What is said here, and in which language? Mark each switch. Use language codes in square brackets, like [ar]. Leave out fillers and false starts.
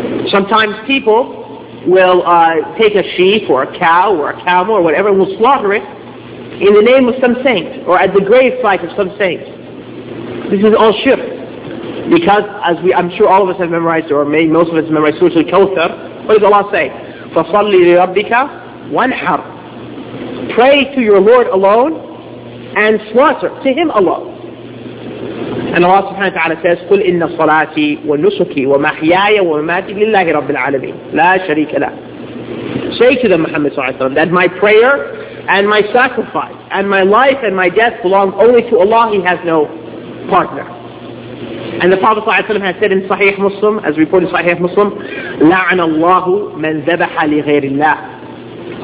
[en] Sometimes people will take a sheep or a cow or a camel or whatever and will slaughter it in the name of some saint or at the grave site of some saint. This is all shirk. Because I'm sure all of us have memorized, or maybe most of us have memorized Surah Al-Kawthar. What does Allah say? [ar] "فَصَلِّ لِرَبِّكَ وَانْحَرْ." [en] Pray to your Lord alone and slaughter to Him alone. And Allah subhanahu wa ta'ala says, [ar] "قُلْ إِنَّ صَلَاتِي وَنُسُكِي وَمَحْيَايَ وَمَمَاتِي لِلَّهِ رَبِّ الْعَالَمِينَ لَا شَرِيكَ لَهُ." [en] Say to them, Muhammad sallallahu alayhi wa sallam, that my prayer and my sacrifice and my life and my death belong only to Allah. He has no partner. And the Prophet ﷺ has said in Sahih Muslim, as reported in Sahih Muslim, [ar] لَعْنَ اللَّهُ مَنْ ذَبَحَ لِغَيْرِ اللَّهِ.